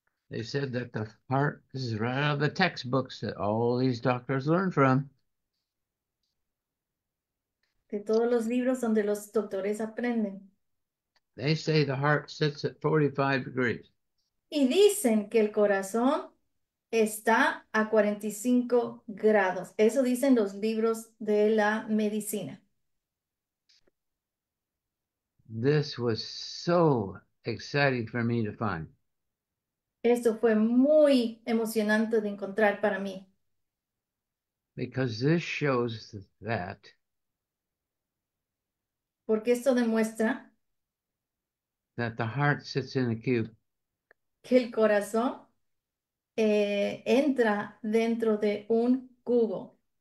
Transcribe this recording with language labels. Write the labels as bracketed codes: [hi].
[en] They said that the heart, this is right out of the textbooks that all these doctors learn from. [es] De todos los libros donde los doctores aprenden. [en] They say the heart sits at 45 degrees. [es] Y dicen que el corazón Está a 45 grados. Eso dicen los libros de la medicina. [en] This was so exciting for me to find. [es] Esto fue muy emocionante de encontrar para mí. [en] Because this shows that [es] Porque esto demuestra [en] the heart sits in a cube. [es] que el corazón entra dentro de un cubo.